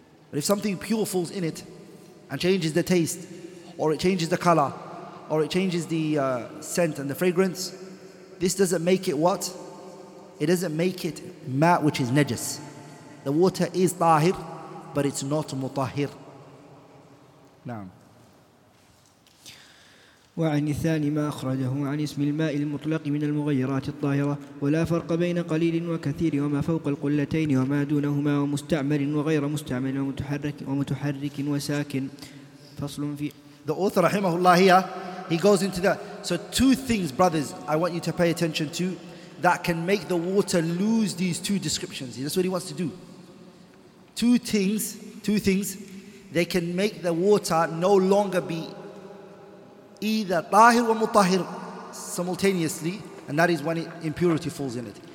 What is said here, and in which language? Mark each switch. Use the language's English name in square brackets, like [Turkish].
[English] But if something pure falls in it and changes the taste, or it changes the color, or it changes the scent and the fragrance, this doesn't make it what? It doesn't make it ma, which is najis. The water is tahir, but it's not mutahir. Naam. [Arabic] وعن الثاني ما أخرجه عن اسم الماء المطلق من المغيرات الطاهرة ولا فرق بين قليل وكثير وما فوق القلتين وما دونهما ومستعمل وغير مستعمل ومتحرك وساكن. فصل في [English] The author رحمه الله here, he goes into that. So two things, brothers, I want you to pay attention to that can make the water lose these two descriptions. That's what he wants to do. Two things, they can make the water no longer be either tahir or mutahir simultaneously, and that is when impurity falls in it.